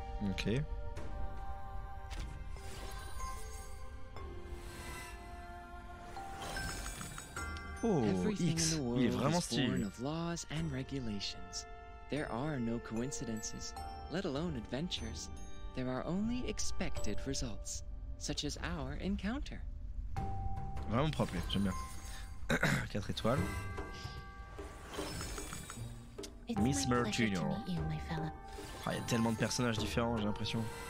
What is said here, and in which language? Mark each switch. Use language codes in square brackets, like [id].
[fr] Ok. Oh, X, il est vraiment stylé. [en] Laws and regulations. There are no coincidences, let alone adventures. There are only expected results, such as our encounter. [fr] Vraiment propre, j'aime bien. 4 étoiles. [en] It's Miss Mer Junior. [fr] Ah, il y a tellement de personnages différents, j'ai l'impression.